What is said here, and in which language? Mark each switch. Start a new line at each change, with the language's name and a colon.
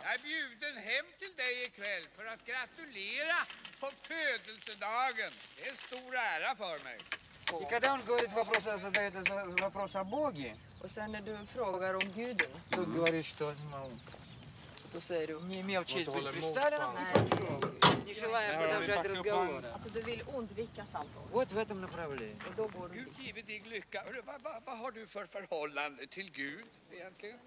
Swedish: Jag är bjuden hem till dig ikväll för att gratulera på födelsedagen. Det är en stor ära för mig. Och när han går ut för att ställa en fråga om Gud. Och sen när du frågar om guden. Då säger du
Russian: что не могу.
Swedish: Då säger du.
Russian: Не имел честь быть представленным. Не желаю продолжать разговор.
Swedish: Alltså du vill undvika samtal.
Russian: Вот в этом направлении.
Swedish: Gud givet dig lycka. Vad har du för förhållande till Gud egentligen?